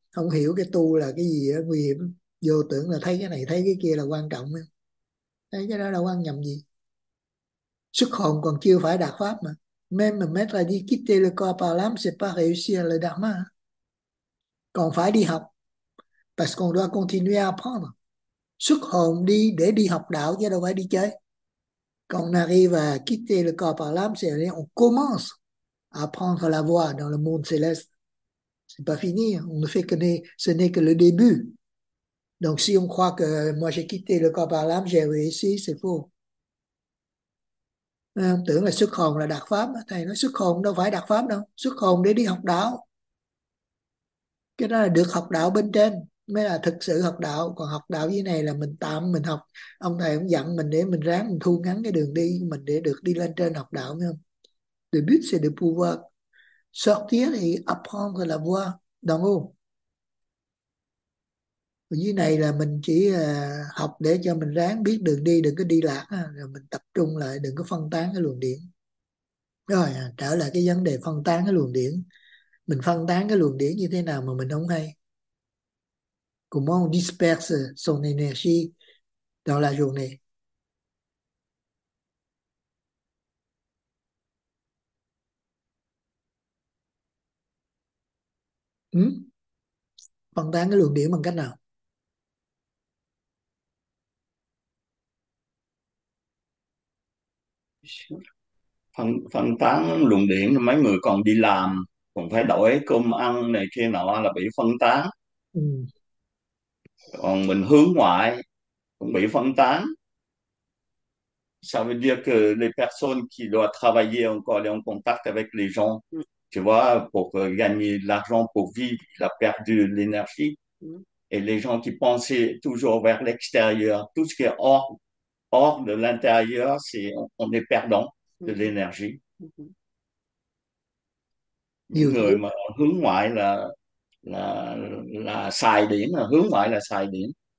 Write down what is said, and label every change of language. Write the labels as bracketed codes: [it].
[vi] Không hiểu cái tu là cái gì á, nguy hiểm. Vô tưởng là thấy cái này, thấy cái kia là quan trọng. Thấy cái đó là quan nhầm gì. Xuất hồn còn chưa phải đạt pháp mà. [fr] Même mà mettre đi quitter le corps par l'âme, c'est pas réussir le dharma. [vi] Còn phải đi học. [fr] Parce qu'on doit continuer à apprendre. [vi] Xuất hồn đi để đi học đạo chứ đâu phải đi chơi. [fr] Quand on arrive à quitter le corps par l'âme, c'est-à-dire on commence à prendre la voie dans le monde céleste. C'est pas fini, on ne fait que ce n'est que le début. Donc si on croit que moi j'ai quitté le corps par l'âme, j'ai réussi, c'est faux. [vi] On tưởng là xuất hồn là đạt pháp, thầy nói xuất hồn đâu phải đạt pháp đâu, xuất hồn để đi học đạo. Cái đó là được học đạo bên trên mới là thực sự học đạo, còn học đạo dưới này là mình tạm mình học, ông thầy cũng dặn mình để mình ráng mình thu ngắn cái đường đi mình để được đi lên trên học đạo, phải không? [fr] Le but c'est de pouvoir sortir et apprendre la voie d'en haut. [vi] Dưới này là mình chỉ học để cho mình ráng biết đường đi, đừng có đi lạc, rồi mình tập trung lại, đừng có phân tán cái luồng điển. Rồi, trở lại cái vấn đề phân tán cái luồng điển. Mình phân tán cái luồng điển như thế nào mà mình không hay? [fr] Comment on disperse son énergie dans la journée? [vi] Phân tán cái luồng điển bằng cách nào? Phân tán luồng điển, mấy người còn đi làm còn phải đổi cơm ăn này kia nọ là bị phân tán, còn mình hướng ngoại cũng bị phân tán. [fr] Ça veut dire que les personnes qui doivent travailler encore et en contact avec les gens, tu vois, pour gagner l'argent pour vivre, il a perdu l'énergie. Et les gens qui pensaient toujours vers l'extérieur, tout ce qui est hors de l'intérieur, on est perdant de l'énergie. [vi] Những Hiểu người mà hướng ngoại là xài điện, là hướng ngoại là xài điện.